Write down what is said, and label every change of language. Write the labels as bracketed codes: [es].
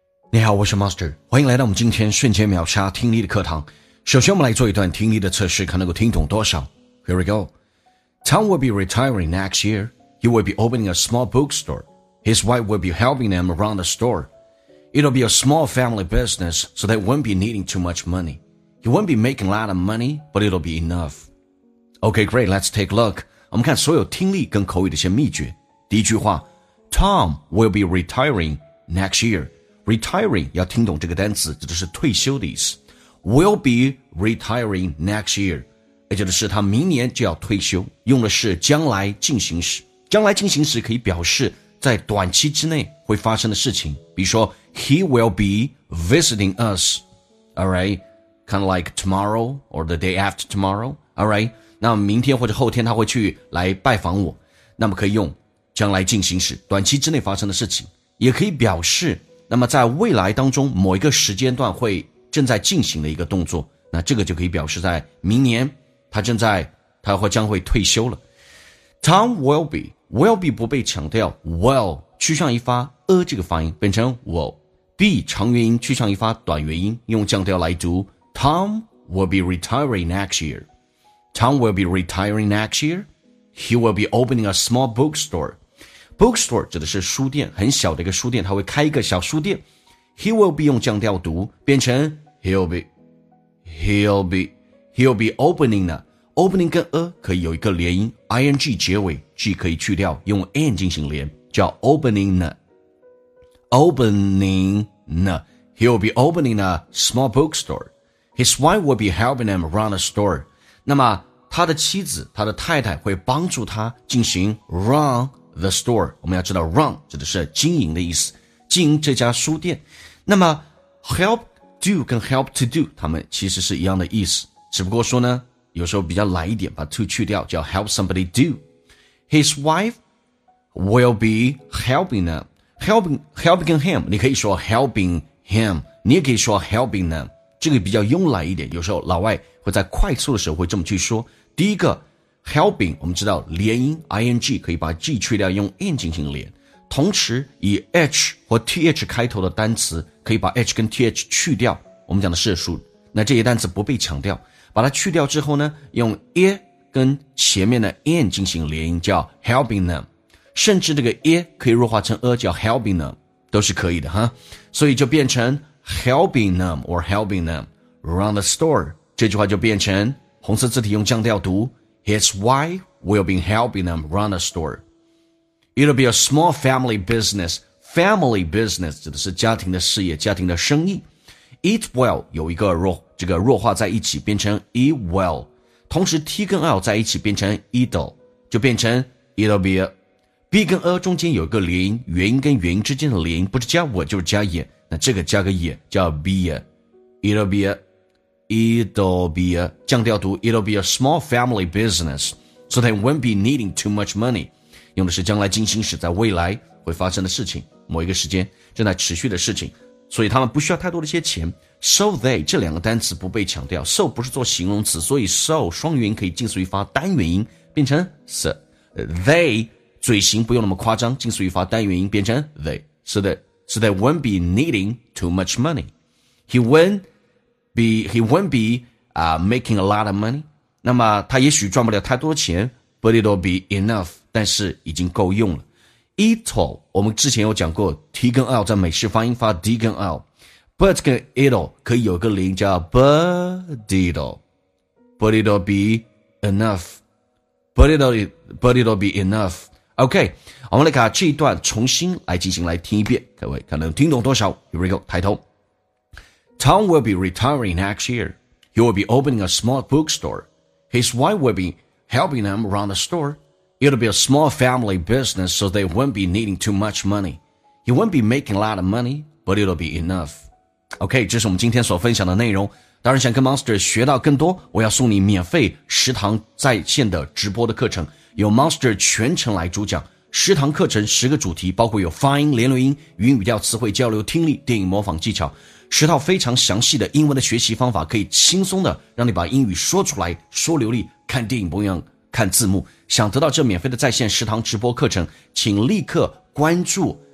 [zh] 你好，我是 Master， 欢迎来到我们今天瞬间秒杀听力的课堂。首先我们来做一段听力的测试，看能够听懂多少。 [en] Here we go. Tom will be retiring next year. He will be opening a small bookstore. His wife will be helping them around the store. It'll be a small family business, so they won't be needing too much money. He won't be making a lot of money, but it'll be enough. Okay, great, let's take a look. [zh] 我们看所有听力跟口语的一些秘诀。第一句话， [en] Tom will be retiring next year. [zh] Retiring 要听懂这个单词，指的是退休的意思。 [en] Will be retiring next year， [zh] 也就是他明年就要退休，用的是将来进行时。将来进行时可以表示在短期之内会发生的事情，比如说 [en] He will be visiting us， alright， kind of like tomorrow or the day after tomorrow， alright， [zh] 那明天或者后天他会去来拜访我，那么可以用将来进行时，短期之内发生的事情，也可以表示那么在未来当中某一个时间段会正在进行的一个动作，那这个就可以表示在明年他会将会退休了。 Tom will be 不被强调 will 趋向一发这个发音变成 will be 长元音趋向一发短元音，用降调来读 [en] Tom will be retiring next year. Tom will be retiring next year. He will be opening a small bookstoreBookstore [zh] 指的是书店，很小的一个书店，他会开一个小书店。 He will be 用降调读，变成 [en] He'll be opening [zh] 呢。 Opening 跟可以有一个连音 ，ing 结尾 ，g 可以去掉，用 an 进行连，叫 opening 呢。 [en] Opening 呢 ，He'll be opening a small bookstore. His wife will be helping him run a store. [zh] 那么他的妻子，他的太太会帮助他进行 run。 The store， 我们要知道 run 指的是经营的意思，经营这家书店。那么 help do 跟 help to do 他们其实是一样的意思，只不过说呢有时候比较懒一点，把 to 去掉，叫 help somebody do。 [en] His wife will be helping them， [zh] helping him， 你可以说 helping him， 你也可以说 helping them， 这个比较慵懒一点，有时候老外会在快速的时候会这么去说。第一个Helping， 我们知道连音 ing 可以把 g 去掉，用 n 进行连。同时以 h 或 th 开头的单词可以把 h 跟 th 去掉，我们讲的是数，那这些单词不被强调，把它去掉之后呢，用 a 跟前面的 n 进行连音，叫 helping them， 甚至这个 a 可以弱化成 a， 叫 helping them 都是可以的哈。所以就变成 helping them or helping them run the store， 这句话就变成红色字体用降调读， [en] His wife will be helping them run a store. It'll be a small family business. [zh] Family business 指的是家庭的事业，家庭的生意。 It will 有一个弱化在一起，变成 it will. 同时 T 跟 L 在一起变成 it'll， 就变成 it'll be a。 B 跟 a 中间有一个连音，元音跟元音之间的连音，不是加我就是加也。那这个加个也叫 be a。 [en] It'll be a。 It'll be a 降调读 It'll be a small family business, so they won't be needing too much money. [zh] 用的是将来进行时，在未来会发生的事情，某一个时间正在持续的事情，所以他们不需要太多的一些钱。 So they 这两个单词不被强调 ，so 不是做形容词，所以 so 双元音可以近似于发单元音，变成 so。 They 嘴型不用那么夸张，近似于发单元音，变成 they。 [en] So they won't be needing too much money. He won't be making a lot of money. [zh] 那么他也许赚不了太多钱 ， [en] but it'll be enough. [zh] 但是已经够用了。 It'll 我们之前有讲过 ，T 跟 L 在美式发音发 D 跟 L，but 跟 it'll 可以有个连音叫 [en] but it'll be enough. [zh] OK， 我们来把这一段重新来进行来听一遍，各位看能听懂多少 ？ [en] Here we go， [zh] 抬头。 [en] Tom will be retiring next year. He will be opening a small bookstore. His wife will be helping him run the store. It'll be a small family business, so they won't be needing too much money. He won't be making a lot of money, but it'll be enough. [zh] OK, 这是我们今天所分享的内容。当然想跟 Monster 学到更多，我要送你免费食堂在线的直播的课程，由 Monster 全程来主讲。十堂课程十个主题，包括有发音、连轮音、语音语调、词汇交流、听力、电影模仿技巧，十套非常详细的英文的学习方法，可以轻松的让你把英语说出来，说流利，看电影不用看字幕。想得到这免费的在线十堂直播课程，请立刻关注